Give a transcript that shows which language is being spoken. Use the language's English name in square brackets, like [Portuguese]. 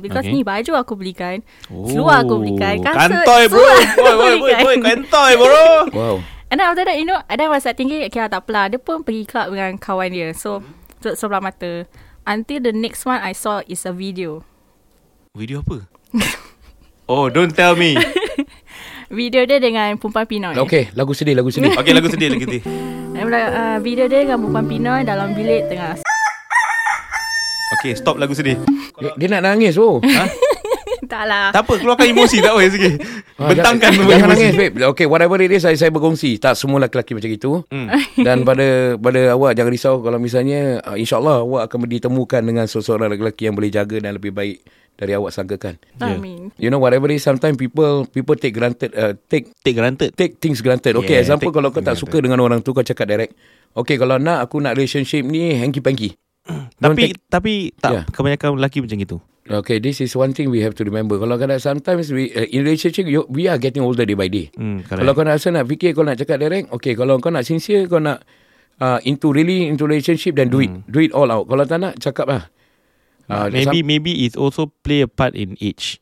[Malay] Because ni baju aku belikan. Seluar aku belikan. Kasut, kantoi, bro. Kantoi, bro. [English] Wow. And then after that, you know, and then I was like thinking, okay, [Malay] tak apa lah. Dia pun pergi club dengan kawan dia. So, sebelah mata. [English] Until the next one I saw is a video. Video apa? Oh, don't tell me. [Malay] Video dia dengan Pumpan Pinoy. Okay, lagu sedih. Okay, lagu sedih. Video dia dengan Pumpan Pinoy dalam bilik tengah... Okay, stop lagu sedih. Dia nak nangis, bro. Tak lah. Tak apa, keluarkan emosi. Tak apa, sikit. Bentangkan emosi. Jangan nangis, babe. [English] Okay, whatever it is, [Malay] saya berkongsi. Tak semua lelaki macam itu. Dan pada awak, jangan risau. Kalau misalnya, insyaAllah awak akan ditemukan dengan seseorang lelaki yang boleh jaga dan lebih baik dari awak sangkakan. Amin. [English] You know, whatever it is, sometimes people take granted. Take things granted. Okay, yeah, example, [Malay] kalau kau tak suka dengan orang tu, kau cakap direct. Okay, kalau nak, aku nak relationship ni hanky-panky. Tapi tak kebanyakan lelaki macam itu. [English] Okay, this is one thing we have to remember. [Malay] Kalau kena [English] sometimes in relationship we are getting older day by day. [Malay] Kalau kau nak rasa nak fikir, kau nak cakap direct. Okay, kalau kau nak sincere, kau nak into relationship, [English] then do it all out. [Malay] Kalau tak nak, cakap lah. [English] Maybe it also play a part in age.